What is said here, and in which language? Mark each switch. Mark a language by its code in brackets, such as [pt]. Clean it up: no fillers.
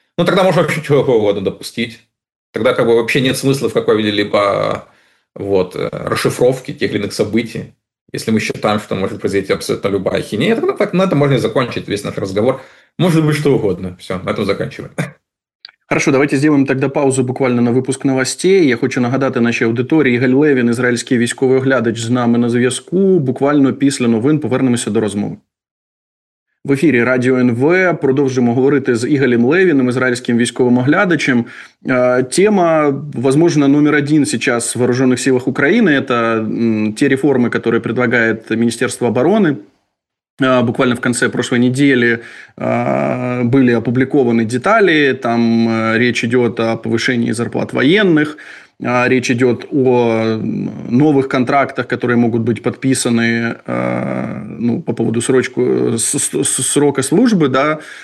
[ru] Ну, тогда можно вообще чего угодно допустить. Тогда как бы вообще нет смысла в какой-либо вот, расшифровке тех или иных событий. Если мы считаем, что может произойти абсолютно любая хиня, тогда так, на этом можно и закончить весь наш разговор. Может быть, что угодно. Все, на этом заканчиваем. Хорошо, давайте сделаем тогда паузу буквально на выпуск новостей. [uk] Я хочу нагадати нашій аудиторії, Ігор Левін, ізраїльський військовий оглядач, з нами на зв'язку. Буквально після новин повернемося до розмови. В ефірі Радіо НВ. Продовжимо говорити з Ігорем Левіним, ізраїльським військовим оглядачем. [ru] Тема, возможно, номер один сейчас в вооруженных силах України. Это те реформи, которые предлагает Министерство обороны. Буквально в конце прошлой недели были опубликованы детали, там речь идет о повышении зарплат военных, речь идет о новых контрактах, которые могут быть подписаны ну, по поводу срока службы, да.